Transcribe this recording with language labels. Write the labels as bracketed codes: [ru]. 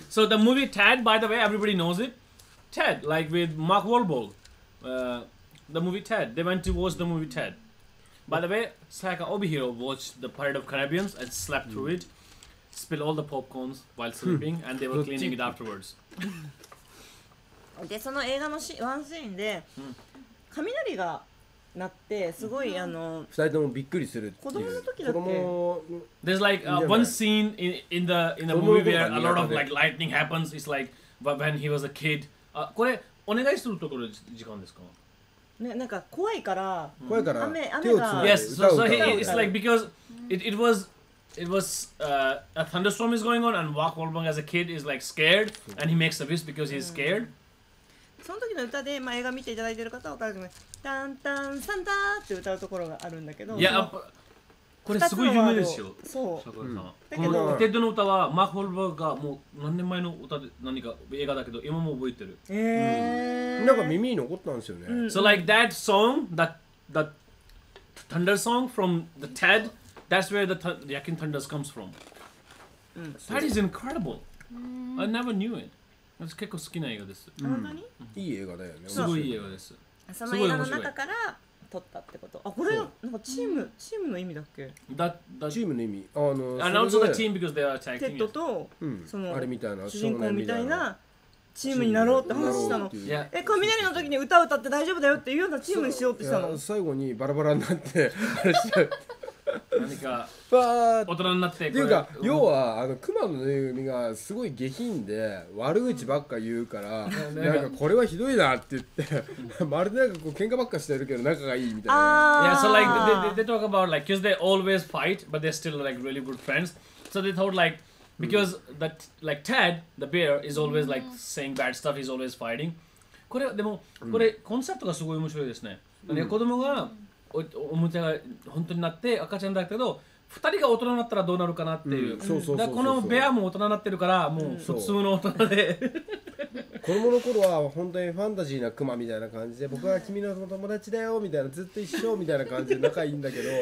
[en] So the movie TED, by the way, everybody knows it, TED, like with Mark Wahlberg, the movie TED, they went to watch the movie TED. By the way, Saka Obihiro watched the Pirate of Caribbean and slept through it, spilled all the popcorns while sleeping, and they were cleaning it afterwards. [ja] で、その映画のワンシーンで、雷が鳴って、すごい、あの、二人ともびっくりするっていう。子供の時だっけ？子供、 [en] There's like one scene in the movie where a lot of like lightning happens. It's like when he was a kid. [ja] これ、お願いするところ時間ですか？ね、なんか怖いから、怖いから雨が、 [en] Yes, so he, it's like because it was a thunderstorm is going on and Mark Wahlberg as a kid is like scared and he makes a wish because he's scared. [ja] その時の歌で、まあ映画見ていただいてる方は分かると思います。タンタンサンタって歌うところがあるんだけど、いや、これすごい有名ですよ。そう。だけど、テッドの歌はマーク・ウォルバーがもう何年前の歌で何か映画だけど今も覚えてる。なんか耳に残ったんですよね。 [en] So like that song, that thunder song from the TED, that's where the Yakin Thunders comes from. That is incredible. I never knew it. [ja] 私結構好きな映画です。いい映画だよね。すごいいい映画です。その映画の中から。取ったってこと。あ、これなんかチーム、チームの意味だっけ？チームの意味。 [en] Announce the team because they are attacking. [ja] テッドと、そのあれみたいな主人公みたいなチームになろうって話したの。え、雷の時に歌歌って大丈夫だよっていうようなチームにしようってしたの。最後にバラバラになって何か大人になってこれっていうか、要はあのクマのぬいぐるみがすごい下品で悪口ばっか言うから、なんかこれはひどいなって言ってまるでなんかこう喧嘩ばっかしてるけど仲がいいみたいな。 [en] Yeah, so like they talk about like because they always fight but they're still like really good friends. So they thought like because that like Ted the bear is always like saying bad stuff. He's always fighting. [ja] これでもこれコンセプトがすごい面白いですね。子供がおもちゃが本当になって赤ちゃんだけど二人が大人になったらどうなるかなっていう、だこのベアも大人になってるからもう普通の大人で、子供の頃は本当にファンタジーなクマみたいな感じで僕は君の友達だよみたいなずっと一緒みたいな感じで仲いいんだけど